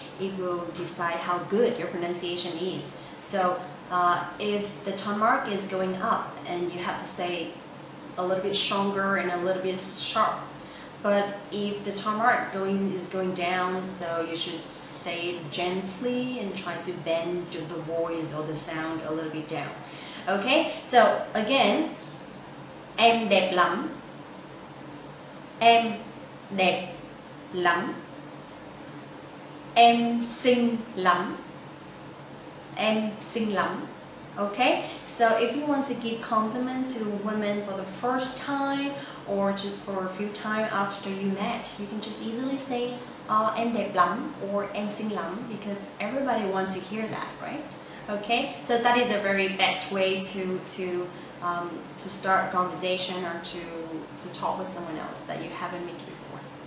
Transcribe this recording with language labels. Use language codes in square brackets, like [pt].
[en] It will decide how good your pronunciation is. So if the tone mark is going up and you have to say a little bit stronger and a little bit sharp. But if the tone mark is going down, so you should say it gently and try to bend the voice or the sound a little bit down. Okay, so again, [vi] em đẹp lắm, em đẹp lắm, em xinh lắm, em xinh lắm. [en] Okay, so if you want to give compliment to a woman for the first time or just for a few time after you met, you can just easily say [vi] em đẹp lắm [en] or [vi] em xinh lắm [en] because everybody wants to hear that, right? Okay, so that is a very best way to start a conversation or to talk with someone else that you haven't met before.